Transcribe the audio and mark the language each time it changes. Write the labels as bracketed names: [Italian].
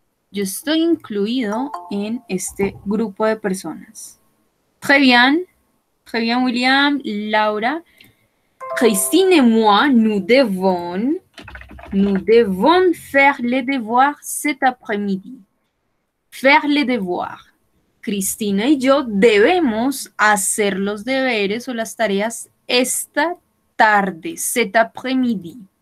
[Spanish] Yo estoy incluido en este grupo de personas. [French] Très bien. Très bien, William, Laura. Christine et moi, nous devons faire les devoirs cet après-midi. Faire les devoirs. [Spanish] Christine y yo debemos hacer los deberes o las tareas esta tarde, [French] cet après-midi.